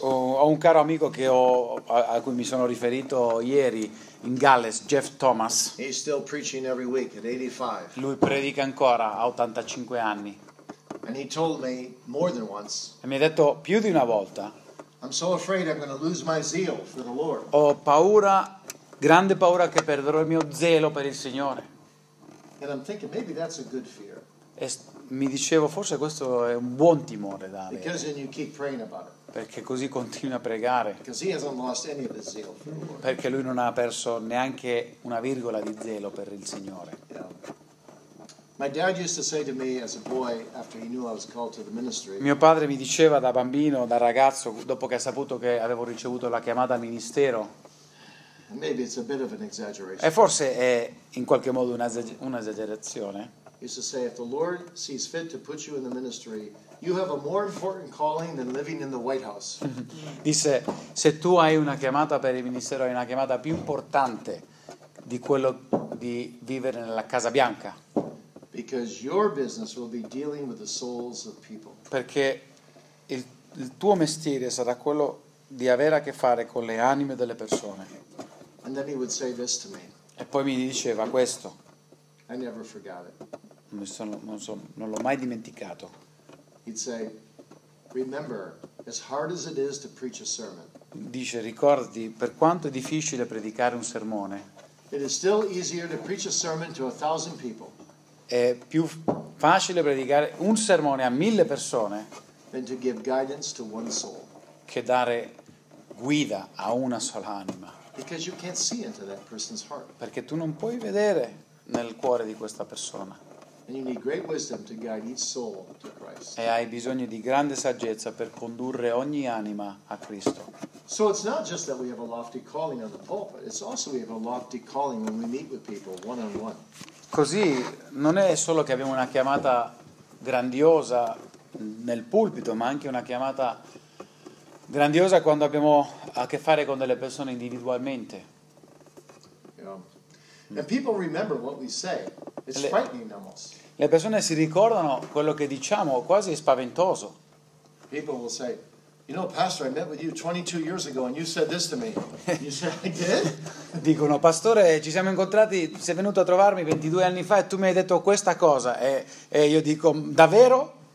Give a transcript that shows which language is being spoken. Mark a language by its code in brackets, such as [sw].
[it] Ho un caro amico che a cui mi sono riferito ieri in Galles, Jeff Thomas. [en] He's still preaching every week at 85. [it] Lui predica ancora a 85 anni. [en] And he told me more than once. [it] E mi ha detto più di una volta. [en] I'm so afraid I'm going to lose my zeal for the Lord. [it] Ho paura, grande paura che perderò il mio zelo per il Signore. [en] And I'm thinking maybe that's a good fear. [it] Mi dicevo, forse questo è un buon timore da avere. [en] Because then you keep praying about it. [it] Perché così continui a pregare. [en] Because he hasn't lost any of his zeal for the Lord. [it] Perché lui non ha perso neanche una virgola di zelo per il Signore. [en] Yeah. My dad used to say to me as a boy after he knew I was called to the ministry. [it] Mio padre mi diceva da bambino, da ragazzo, dopo che ha saputo che avevo ricevuto la chiamata al ministero. [en] Maybe it's a bit of an exaggeration. [it] E forse è in qualche modo un'esagerazione. [en] Used to say, if the Lord sees fit to put you in the ministry, you have a more important calling than living in the White House. [it] Disse, se tu hai una chiamata per il ministero, hai una chiamata più importante di quello di vivere nella Casa Bianca. [en] Because your business will be dealing with the souls of people. [it] Perché il tuo mestiere sarà quello di avere a che fare con le anime delle persone. [en] And then he would say this to me. [it] E poi mi diceva questo. [en] I never forgot it. [it] Non l'ho mai dimenticato. [en] He'd say, "Remember, as hard as it is to preach a sermon." [it] Dice, ricordati, per quanto è difficile predicare un sermone. [en] It is still easier to preach a sermon to 1,000 people. [it] È più facile predicare un sermone a 1,000 persone. [en] Than to give guidance to one soul. [it] Che dare guida a una sola anima. [en] Because you can't see into that person's heart. [it] Perché tu non puoi vedere nel cuore di questa persona. [en] And you need great wisdom to guide each soul to Christ. [it] E hai bisogno di grande saggezza per condurre ogni anima a Cristo. [en] So it's not just that we have a lofty calling on the pulpit, it's also we have a lofty calling when we meet with people one on one. [it] Così non è solo che abbiamo una chiamata grandiosa nel pulpito, ma anche una chiamata grandiosa quando abbiamo a che fare con delle persone individualmente. [en] And people remember what we say. It's frightening almost. [it] Le persone si ricordano quello che diciamo, quasi spaventoso. [en] People will say, "You know, Pastor, I met with you 22 years ago, and you said this to me." You said, "I did?" [it] Dicono, pastore, ci siamo incontrati, sei venuto a trovarmi 22 anni fa, e tu mi hai detto questa cosa, e io dico, davvero?